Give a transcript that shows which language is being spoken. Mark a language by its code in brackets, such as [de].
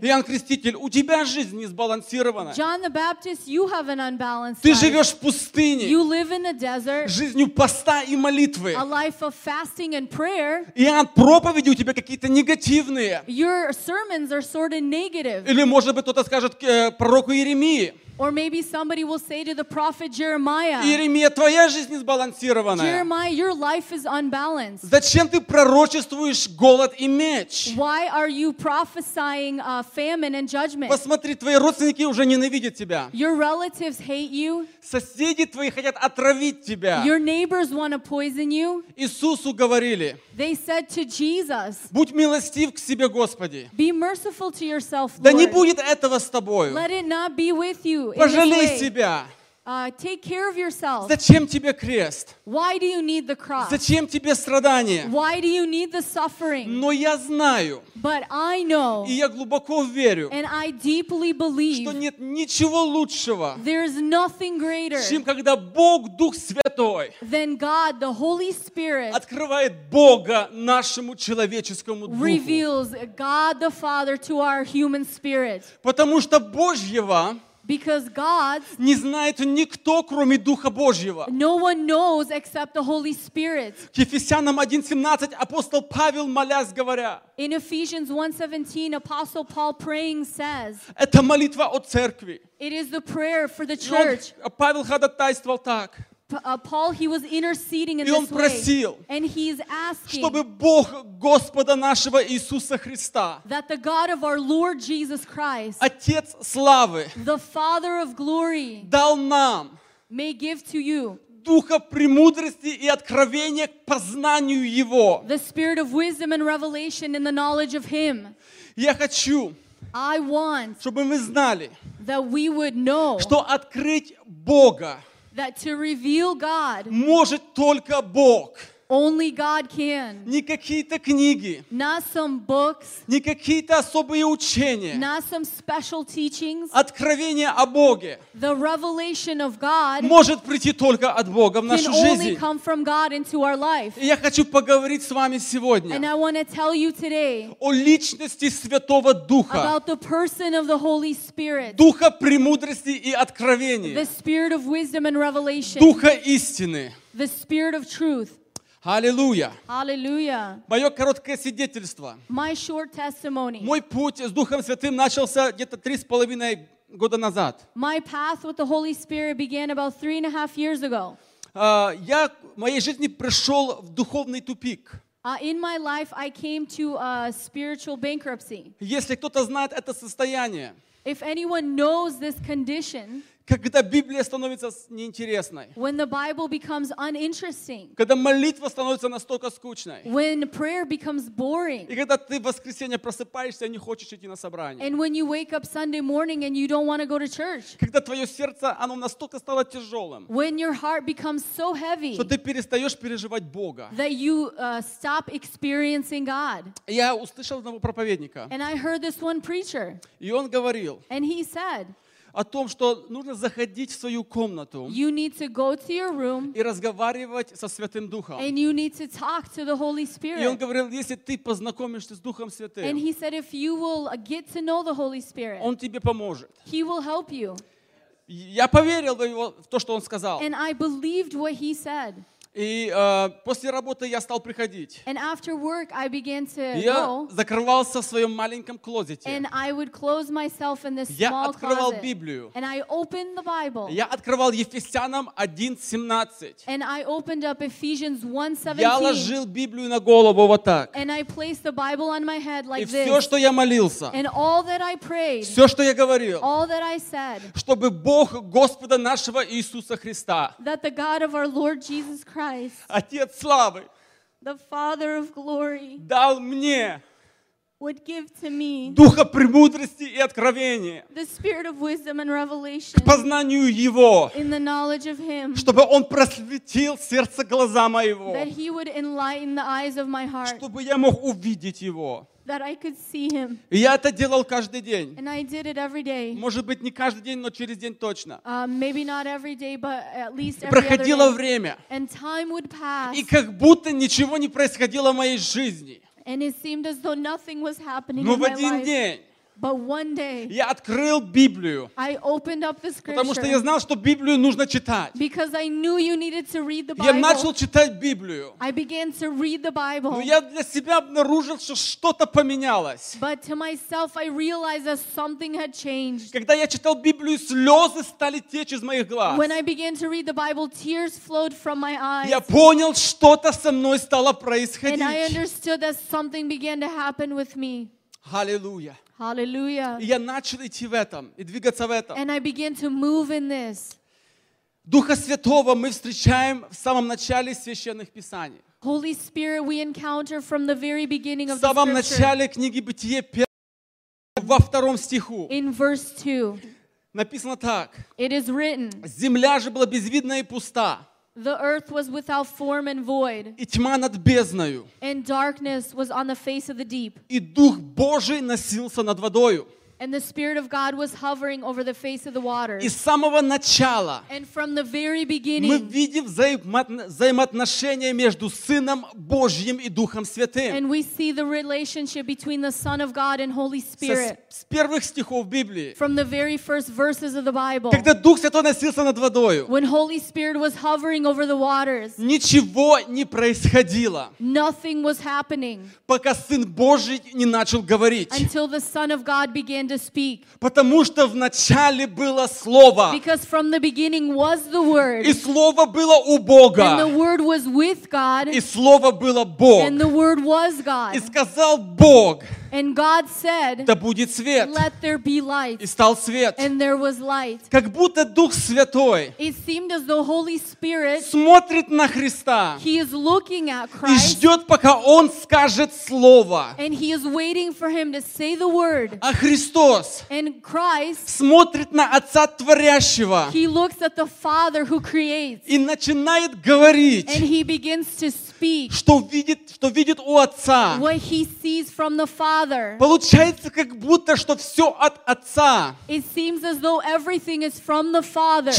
[ru] Иоанн Креститель, у тебя жизнь не сбалансирована. [en] John the Baptist, you have an unbalanced life. [ru] Ты живешь в пустыне. [en] You live in a desert. [ru] Жизнью поста и молитвы. [en] A life of fasting and prayer. [ru] Иоанн, проповеди у тебя какие-то негативные. [en] Your sermons are sort of negative. [ru] Или, может быть, кто-то скажет пророку Иеремии. [en] Or maybe somebody will say to the prophet Jeremiah, [ru] Иеремия, твоя жизнь не сбалансированная. [en] Jeremiah, your life is unbalanced. [ru] Зачем ты пророчествуешь голод и меч? [en] Why are you prophesying famine and judgment? [ru] Посмотри, твои родственники уже ненавидят тебя. [en] Your relatives hate you. [ru] Соседи твои хотят отравить тебя. [en] Your neighbors want to poison you. [ru] Иисусу говорили, [en] they said to Jesus, [ru] будь милостив к себе, Господи. [en] Be merciful to yourself, Lord. [ru] Да не будет этого с тобою. [en] Let it not be with you. [ru] Пожалей себя. [en] Take care of yourself. [ru] Зачем тебе крест? [en] Why do you need the cross? [ru] Зачем тебе страдания? [en] Why do you need the suffering? [ru] Но я знаю. [en] But I know. [ru] И я глубоко верю. [en] And I deeply believe. [ru] Что нет ничего лучшего. [en] There is nothing greater. [ru] Чем когда Бог Дух Святой. [en] Than God, the Holy Spirit. [ru] Открывает Бога нашему человеческому духу. [en] Reveals God the Father to our human spirit. [ru] Потому что Божьего. [en] Because God [ru] не знает никто, кроме Духа Божьего. [en] No one knows except the Holy Spirit. [ru] К Ефесянам 1:17 апостол Павел, молясь, говоря, [en] in Ephesians 1:17, Apostle Paul praying says, [ru] это молитва о церкви. [en] It is the prayer for the church. [ru] И он, Павел ходатайствовал так. [en] Paul, he was interceding in this [ru] просил, [en] way. And he's asking, [ru] чтобы Бог Господа нашего Иисуса Христа, [en] that the God of our Lord Jesus Christ, [ru] Отец Славы, [en] the Father of glory, [ru] дал нам, [en] may give to you, [ru] Духа премудрости и откровения к познанию Его. [en] The Spirit of wisdom and revelation in the knowledge of Him. [ru] Я хочу, [en] I want, [ru] чтобы мы знали, [en] that we would know, [ru] что открыть Бога [en] that to reveal God [ru] может только Бог. [en] Only God can. [ru] Не какие-то книги. [en] Not some books. [ru] Не какие-то особые учения. [en] Not some special teachings. [ru] Откровение о Боге. [en] The revelation of God. [ru] Может прийти только от Бога в нашу жизнь. [en] Can only come from God into our life. [ru] И я хочу поговорить с вами сегодня. [en] And I want to tell you today. [ru] О личности Святого Духа. [en] About the person of the Holy Spirit. [ru] Духа премудрости и откровения. [en] The Spirit of wisdom and revelation. [ru] Духа истины. [en] The Spirit of truth. [ru] Аллилуйя. [en] Аллилуйя. [ru] Мое короткое свидетельство. [en] My short testimony. [ru] Мой путь с Духом Святым начался где-то 3.5 года назад. [en] My path with the Holy Spirit began about 3.5 years ago. [ru] Я в моей жизни пришел в духовный тупик. [en] In my life I came to a spiritual bankruptcy. [ru] Если кто-то знает это состояние. [en] If anyone knows this condition. [ru] Когда Библия становится неинтересной. [en] When the Bible becomes uninteresting. [ru] Когда молитва становится настолько скучной. [en] When prayer becomes boring. [ru] И когда ты в воскресенье просыпаешься и не хочешь идти на собрание. [en] And when you wake up Sunday morning and you don't want to go to church. [ru] Когда твое сердце, оно настолько стало тяжелым. [en] When your heart becomes so heavy. [ru] Что ты перестаешь переживать Бога. [en] That you stop experiencing God. [ru] Я услышал одного проповедника. [en] And I heard this one preacher. [ru] И он говорил. [en] And he said. [ru] О том, что нужно заходить в свою комнату [en] you need to go to your room, [ru] и разговаривать со Святым Духом. [en] And you need to talk to the Holy Spirit. [ru] И он говорил, если ты познакомишься с Духом Святым, [en] and he said, if you will get to know the Holy Spirit, [ru] он тебе поможет. [en] He will help you. [ru] Я поверил в, его, в то, что он сказал. [en] And I believed what he said. [ru] И после работы я стал приходить. [en] And after work, I began to go. [ru] Я закрывался в своем маленьком клозете. [en] And I would close myself in this small closet. [ru] Я открывал [en] closet. [ru] Библию. [en] And I opened the Bible. [ru] Я открывал Ефесянам 1:17. [en] And I opened up Ephesians 1:17. [ru] Я ложил Библию на голову вот так. [en] And I placed the Bible on my head like [ru] и [en] this. [ru] И все, что я молился. [en] And all that I prayed. [ru] Все, что я говорил. [en] All that I said. [ru] Чтобы Бог Господа нашего Иисуса Христа. [en] That the God of our Lord Jesus Christ. [ru] Отец славы, [en] the Father of glory, [ru] дал мне [en] would give to me [ru] духа премудрости и откровения, [en] the spirit of wisdom and revelation, [ru] к познанию Его, [en] in the knowledge of him, [ru] чтобы Он просветил сердце глаза моего, [en] that he would enlighten the eyes of my heart, [ru] чтобы я мог увидеть Его. [en] That I could see him. [ru] И я это делал каждый день. [en] And I did it every day. [ru] Может быть, не каждый день, но через день точно. [en] Maybe not every day, but at least every [ru] проходило [en] other day. [ru] Время. [en] And time would pass. [ru] И как будто ничего не происходило в моей жизни. [en] And it seemed as though nothing was happening [ru] но [en] in my life. [ru] Но в один день. [en] But one day, [ru] я открыл Библию. [en] I opened up the scripture. [ru] Потому что я знал, что Библию нужно читать. [en] Because I knew you needed to read the Bible. [ru] Я начал читать Библию. [en] I began to read the Bible. [ru] Но я для себя обнаружил, что что-то поменялось. [en] But to myself, I realized that something had changed. [ru] Когда я читал Библию, слезы стали течь из моих глаз. [en] When I began to read the Bible, tears flowed from my eyes. [ru] Я понял, что-то со мной стало происходить. [en] And I understood that something began to happen with me. [ru] Аллилуйя. [en] Hallelujah. [ru] И я начал идти в этом, и двигаться в этом. [en] And I began to move in this. [ru] Духа Святого мы встречаем в самом начале священных писаний. [en] Holy Spirit we encounter from the very beginning of the scripture. [ru] В самом начале книги Бытие, во втором стиху. [en] In verse 2. [ru] Написано так. [en] It is written. [ru] Земля же была безвидна и пуста. [en] The earth was without form and void. [ru] И тьма над бездною. [en] And darkness was on the face of the deep. [ru] И Дух Божий носился над водою. [en] And the Spirit of God was hovering over the face of the water. [ru] И с самого начала. [en] And from the very beginning. [ru] Мы видим взаимоотношения между Сыном Божьим и Духом Святым. [en] And we see the relationship between the Son of God and Holy Spirit. [ru] С первых стихов Библии. [en] From the very first verses of the Bible. [ru] Когда Дух Святой носился над водою. [en] When Holy Spirit was hovering over the waters. [ru] Ничего не происходило. [en] Nothing was happening. [ru] Пока Сын Божий не начал говорить. [en] Until the Son of God began. To speak. [ru] Потому что в начале было Слово. [en] Because from the beginning was the Word. [ru] И Слово было у Бога. [en] And the Word was with God. [ru] И Слово было Бог. [en] And the Word was God. [ru] И сказал Бог. [en] And God said, [ru] да будет свет. [en] Let there be light. [ru] И стал свет. [en] And there was light. [ru] Как будто Дух Святой. [en] It seemed as the Holy Spirit. [ru] Смотрит на Христа. [en] He is looking at Christ. [ru] И ждет, пока Он скажет слово. [en] And he is waiting for him to say the word. [ru] А Христос. [en] And Christ. [ru] Смотрит на Отца Творящего. [en] He looks at the Father who creates. [ru] И начинает говорить. [en] And he begins to speak. [ru] Что видит у Отца. [en] What he sees from the Father. [ru] Получается, как будто, что все от Отца. [en] It seems as though everything is from the Father.